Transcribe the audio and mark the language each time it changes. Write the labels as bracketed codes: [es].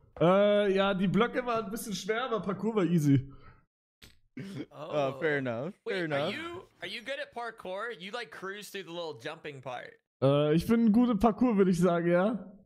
[de] Die Blöcke waren ein bisschen schwer, aber Parkour war easy. [en] Oh, fair enough. Are you good at parkour? You like cruise through the little jumping part. [de] Ich bin gut im Parkour, würde ich sagen, ja.